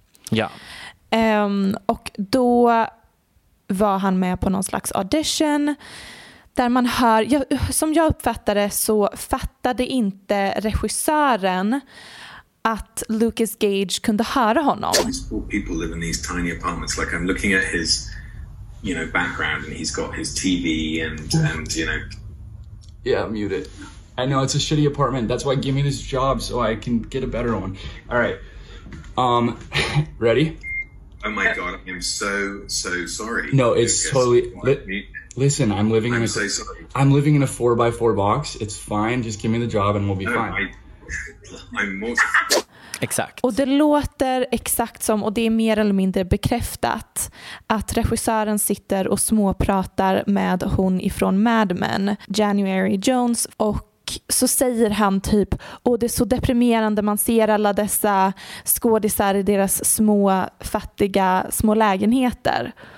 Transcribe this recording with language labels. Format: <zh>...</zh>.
<sv>Ja. Och då var han med på någon slags audition där man hör, som jag uppfattade så fattade inte regissören att Lucas Gage kunde höra honom.</sv> <en>People live in these tiny apartments, like I'm looking at his, you know, background, and he's got his TV and you know. Yeah, mute it. I know it's a shitty apartment. That's why give me this job so I can get a better one. All right. Ready? Oh my god, I'm so sorry. No, it's Lucas. Totally. Listen, I'm living I'm in a so sorry. I'm living in a 4x4 box. It's fine. Just give me the job and we'll be fine. I'm mortified.</en> <sv>Exakt. Och det låter exakt som, och det är mer eller mindre bekräftat, att regissören sitter och småpratar med hon ifrån Mad Men, January Jones, och så säger han typ, åh det är så deprimerande, man ser alla dessa skådisar i deras små fattiga små lägenheter.</sv>